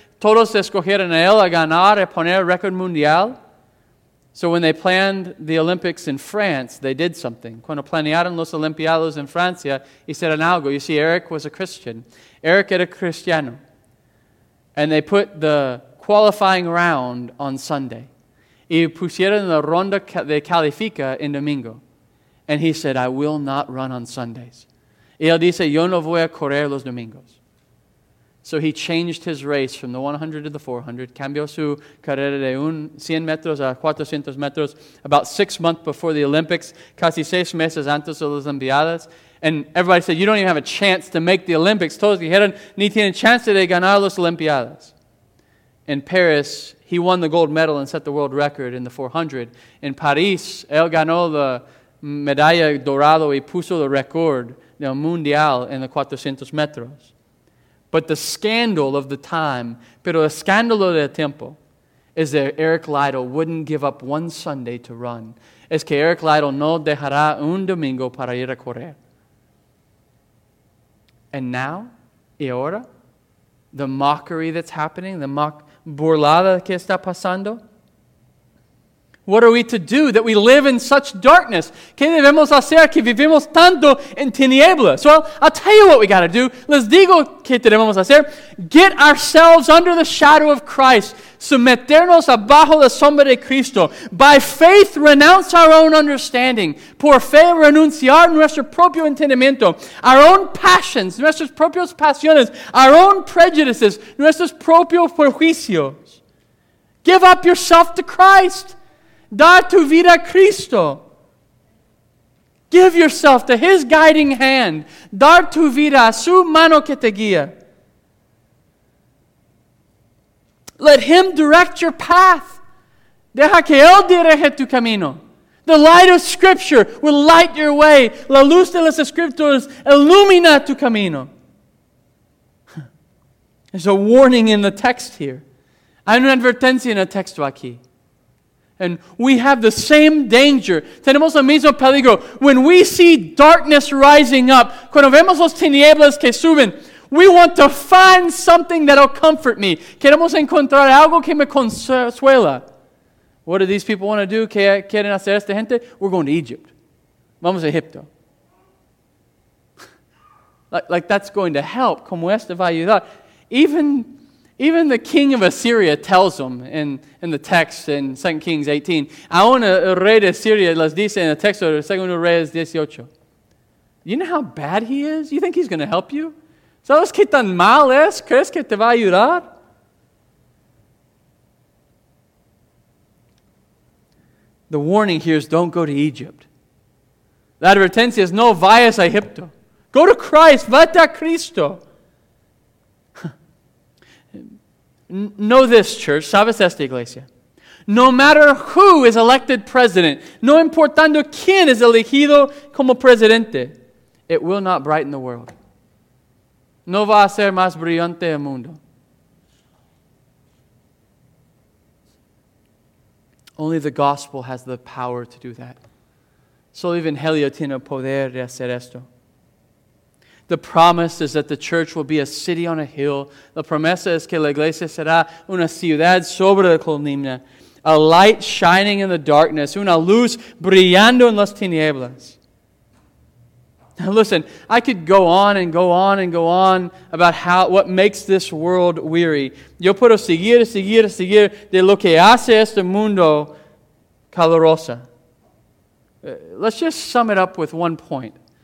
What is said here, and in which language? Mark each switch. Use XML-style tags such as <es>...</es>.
<es>Todos escogieron a él a ganar y poner récord mundial.</es> <en>So when they planned the Olympics in France, they did something.</en> <es>Cuando planearon los Olimpiados en Francia, hicieron algo.</es> <en>You see, Eric was a Christian.</en> <es>Eric era cristiano.</es> <en>And they put the qualifying round on Sunday.</en> <es>Y pusieron la ronda de califica en domingo.</es> <en>And he said, I will not run on Sundays.</en> <es>Y él dice, yo no voy a correr los domingos.</es> <en>So he changed his race from the 100 to the 400,</en> <es>cambió su carrera de 100 metros a 400 metros</es> <en>about 6 months before the Olympics,</en> <es>casi 6 meses antes de las Olimpiadas.</es> <en>And everybody said, you don't even have a chance to make the Olympics.</en> <es>Todos dijeron, ni tienen chance de ganar las Olimpiadas.</es> <en>In Paris, he won the gold medal and set the world record in the 400.</en> <es>In Paris, él ganó la medalla dorado y puso el récord del mundial en los 400 metros.</es> <en>But the scandal of the time,</en> <es>pero el escándalo del tiempo,</es> <en>is that Eric Liddell wouldn't give up one Sunday to run.</en> <es>Es que Eric Liddell no dejará un domingo para ir a correr.</es> <en>And now,</en> <es>y ahora,</es> <en>the mockery that's happening, the</en> <es>burlada que está pasando,</es> <en>What are we to do that we live in such darkness?</en> <es>¿Qué debemos hacer que vivimos tanto en tinieblas?</es> <en>Well, I'll tell you what we got to do.</en> <es>Les digo qué debemos hacer.</es> <en>Get ourselves under the shadow of Christ.</en> <es>Someternos abajo la sombra de Cristo.</es> <en>By faith, renounce our own understanding.</en> <es>Por fe, renunciar nuestro propio entendimiento.</es> <en>Our own passions,</en> <es>nuestras propias pasiones.</es> <en>Our own prejudices,</en> <es>nuestros propios prejuicios.</es> <en>Give up yourself to Christ.</en> <es>Da tu vida a Cristo.</es> <en>Give yourself to His guiding hand.</en> <es>Dar tu vida a su mano que te guía.</es> <en>Let Him direct your path.</en> <es>Deja que Él dirija tu camino.</es> <en>The light of Scripture will light your way.</en> <es>La luz de las Escrituras ilumina tu camino.</es> <en>There's a warning in the text here.</en> <es>Hay una advertencia en el texto aquí.</es> <en>And we have the same danger.</en> <es>Tenemos el mismo peligro.</es> <en>When we see darkness rising up,</en> <es>cuando vemos los tinieblas que suben,</es> <en>we want to find something that will comfort me.</en> <es>Queremos encontrar algo que me consuela.</es> <en>What do these people want to do?</en> <es>¿Qué quieren hacer esta gente?</es> <en>We're going to Egypt.</en> <es>Vamos a Egipto.</es> <en>Like that's going to help.</en> <es>¿Cómo esto va a ayudar?</es> <en>Even the king of Assyria tells them in the text in 2 Kings 18.</en> <es>Aún el rey de Assyria les dice en el texto de 2 Reyes 18.</es> <en>You know how bad he is? You think he's going to help you?</en> <es>¿Sabes qué tan mal es? ¿Crees que te va a ayudar?</es> <en>The warning here is don't go to Egypt.</en> <es>La advertencia es no vayas a Egipto.</es> <en>Go to Christ.</en> <es>Vete a Cristo.</es> <en>Know this, church.</en> <es>Sabes esta iglesia.</es> <en>No matter who is elected president,</en> <es>no importando quién es elegido como presidente,</es> <en>it will not brighten the world.</en> <es>No va a ser más brillante el mundo.</es> <en>Only the gospel has the power to do that.</en> <es>Solo Evangelio tiene el poder de hacer esto.</es> <en>The promise is that the church will be a city on a hill.</en> <es>La promesa es que la iglesia será una ciudad sobre la colina.</es> <en>A light shining in the darkness.</en> <es>Una luz brillando en las tinieblas.</es> <en>Now listen, I could go on and go on and go on about what makes this world weary.</en> <es>Yo puedo seguir, seguir, seguir de lo que hace este mundo caloroso.</es> <en>Let's just sum it up with one point.</en>